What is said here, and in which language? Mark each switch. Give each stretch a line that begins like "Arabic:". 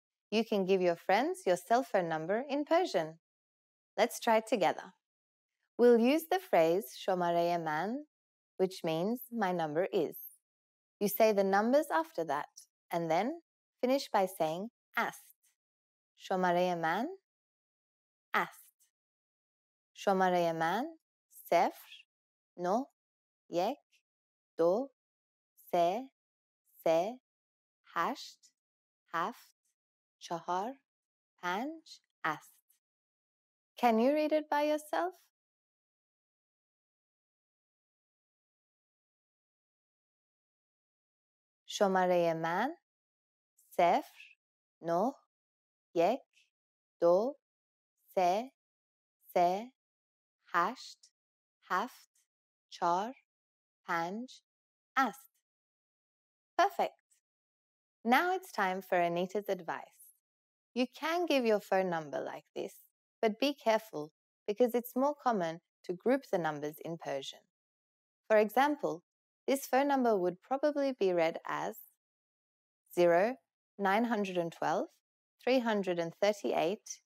English: You can give your friends your cell phone number in Persian. Let's try it together. We'll use the phrase شماره من, which means my number is. You say the numbers after that, and then finish by saying است.
Persian: شماره من است. شماره من صفر نو یک دو سه هشت هفت چهار پنج است.
English: Can you read it by yourself?
Persian: شماره من صفر نو یک دو سه هشت هفت چهار پنج است.
English: Perfect. Now it's time for Anita's advice. You can give your phone number like this, but be careful because it's more common to group the numbers in Persian. For example, this phone number would probably be read as 0-912-338-745.